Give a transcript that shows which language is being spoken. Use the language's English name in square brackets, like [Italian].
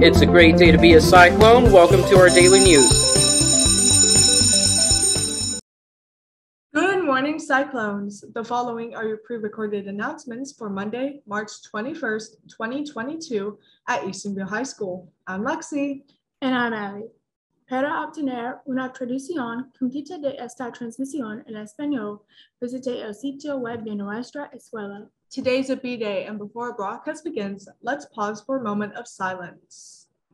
[English] It's a great day to be a cyclone. Welcome to our daily news. Good morning, cyclones. The following are your pre-recorded announcements for Monday, March 21st, 2022 at Eastern View High School. I'm Lexi. And I'm Abby. [Spanish] Para obtener una traducción completa de esta transmisión en español, visite el sitio web de nuestra escuela. [English] Today's a B-Day, and before our broadcast begins, let's pause for a moment of silence.